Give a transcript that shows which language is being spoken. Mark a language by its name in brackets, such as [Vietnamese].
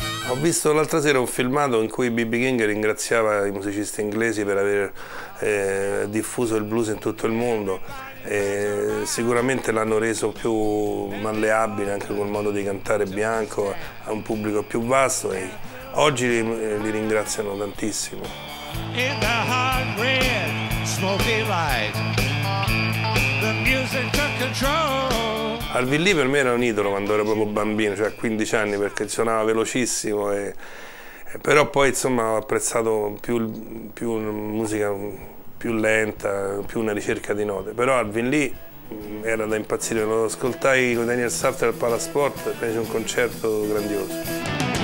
[Italian] Ho visto l'altra sera un filmato in cui B.B. King ringraziava i musicisti inglesi per aver diffuso il blues in tutto il mondo, e sicuramente l'hanno reso più malleabile anche col modo di cantare bianco a un pubblico più vasto, e oggi li ringraziano tantissimo. [English] In the hot red smoky light, the music took control. [Italian] Alvin Lee per me era un idolo quando ero proprio bambino, cioè a 15 anni, perché suonava velocissimo, e però poi insomma ho apprezzato più musica più lenta, più una ricerca di note. Però Alvin Lee era da impazzire, lo ascoltai con Daniel Safter al Palasport, fece un concerto grandioso.